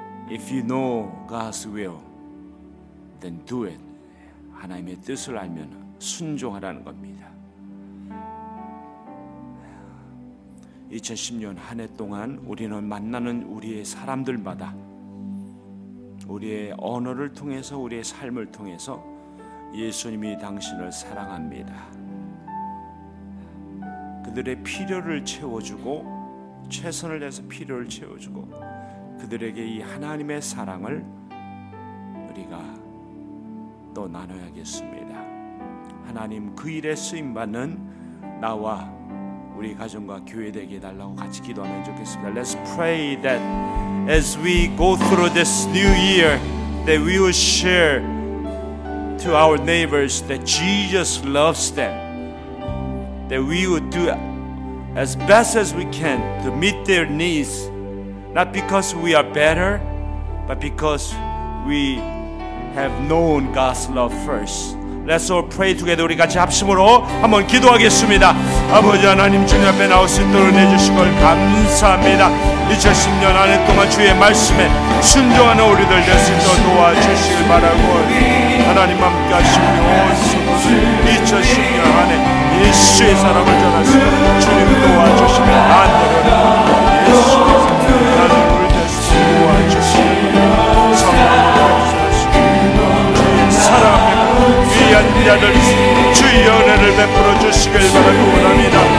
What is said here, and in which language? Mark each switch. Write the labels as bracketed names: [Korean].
[English] If you know God's will, then do it. [Korean] 하나님의 뜻을 알면 순종하라는 겁니다. 2010년 한 해 동안 우리는 만나는 우리의 사람들마다 우리의 언어를 통해서 우리의 삶을 통해서 예수님이 당신을 사랑합니다. 그들의 필요를 채워주고 최선을 다해서 필요를 채워주고 그들에게 이 하나님의 사랑을 우리가 또 나눠야겠습니다. 하나님 그 일에 쓰임받는 나와 우리 가정과 교회 되게 해달라고 같이 기도하면 좋겠습니다. [English] Let's pray that as we go through this new year that we will share to our neighbors that Jesus loves them, that we will do as best as we can to meet their needs, not because we are better, but because we have known God's love first. Let's all pray together. [Korean] 우리 같이 합심으로 한번 기도하겠습니다. 아버지 하나님 주님 앞에 나올 수 있도록 해주신 걸 감사합니다. 2010년 한 해 동안 주의 말씀에 순종하는 우리들 되시도록 도와주시길 바라고 하나님 함께 하시며 2010년 한 해 예수의 사랑을 전하시고 주님 도와주시며 나들을 주의 은혜를 베풀어 주시길 바라고 원합니다.